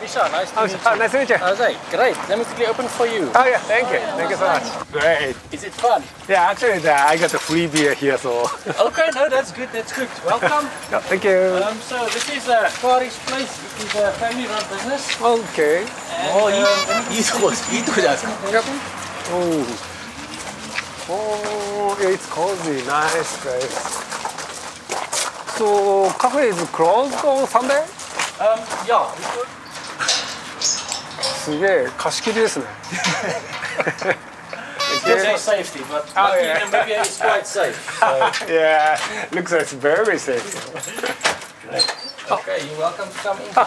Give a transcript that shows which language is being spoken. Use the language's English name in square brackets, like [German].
[English] Misha, nice to meet you. Nice to meet you. Great. Let me quickly open for you. Oh yeah, thank you. Thank you so much. Great. Is it fun? Yeah, actually, I got a free beer here, so. Okay, no, that's good. That's good. Welcome. Yeah, thank you. So this is a Far East place. It is a family-run business. Okay. [Japanese] And, oh, いいとこじゃないですか? [English] Yep. Oh, it's cozy. Nice place. So, cafe is closed on Sunday? Yeah. [Japanese] すげえ、貸し切りですね。 [English] It's just for safety, but oh, lucky, yeah. maybe it's quite safe. So. Yeah, looks like it's very safe. Okay, you're welcome to come in.